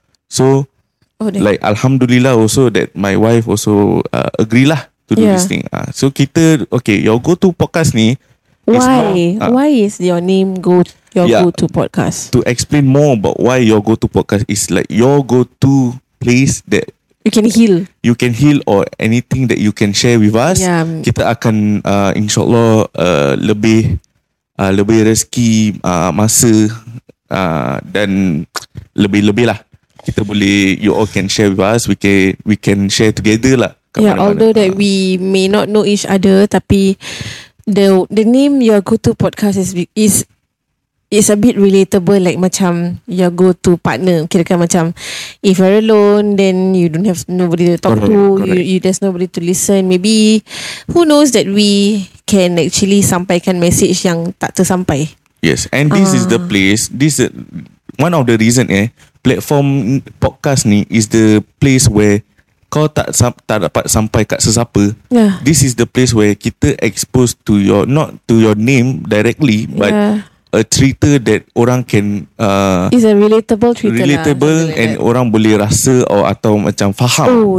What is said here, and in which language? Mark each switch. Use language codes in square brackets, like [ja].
[en] So, like, Alhamdulillah also that my wife also agree lah to do this thing. So, kita, okay, your go-to podcast ni, why is your name go-to podcast? To explain more about why your go-to podcast is like your go-to place that you can heal. You can heal or anything that you can share with us. Yeah. [ms] Kita akan insyaAllah lebih rezeki masa dan lebih-lebih lah. Kita boleh, [en] you all can share with us. We can share together lah. Yeah, although that we may not know each other, tapi the name your go-to podcast is a bit relatable, like macam your go-to partner. [ms] Kira-kira macam [en] if you're alone, then you don't have nobody to talk correct, to. Correct. You there's nobody to listen. Maybe who knows that we can actually [ms] sampaikan message yang tak tersampai. [en] Yes, and this is the place. This is one of the reason platform podcast ni is the place where [ms] kau tak dapat sampai kat sesiapa. [en] Yeah. This is the place where kita expose to your, not to your name directly, but a cerita that orang can is a relatable cerita. Relatable [ms] lah, [en] and like [ms] orang boleh rasa atau macam faham.